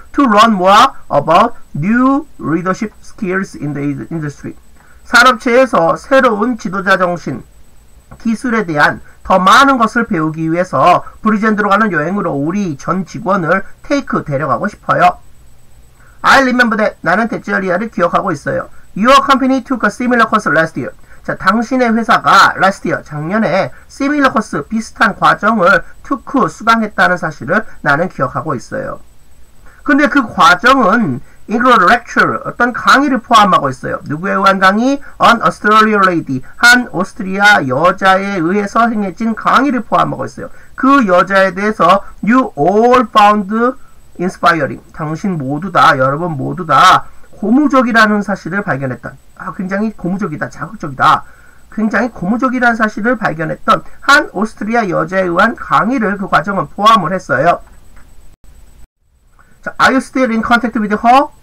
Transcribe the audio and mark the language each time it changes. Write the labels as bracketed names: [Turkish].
[English] To learn more about new leadership skills in the industry. [Korean] 산업체에서 새로운 지도자 정신, 기술에 대한 더 많은 것을 배우기 위해서 Bridgend로 가는 여행으로 우리 전 직원을 take 데려가고 싶어요. [English] I remember that. [Korean] 나는 데치얼리아를 기억하고 있어요. [English] Your company took a similar course last year. [Korean] 자, 당신의 회사가 [English] last year, [Korean] 작년에 [English] similar course, [Korean] 비슷한 과정을 [English] took, [Korean] 수강했다는 사실을 나는 기억하고 있어요. 근데 그 과정은 [English] include lecture, [Korean] 어떤 강의를 포함하고 있어요. 누구에 의한 강의? [English] An Australian lady, [Korean] 한 오스트리아 여자에 의해서 행해진 강의를 포함하고 있어요. 그 여자에 대해서 [English] you all found inspiring. [Korean] 당신 모두 다, 여러분 모두 다 고무적이라는 사실을 발견했던, 아, 굉장히 고무적이다, 자극적이다. 굉장히 고무적이라는 사실을 발견했던 한 오스트리아 여자에 의한 강의를 그 과정은 포함을 했어요. [English] 자, are you still in contact with her?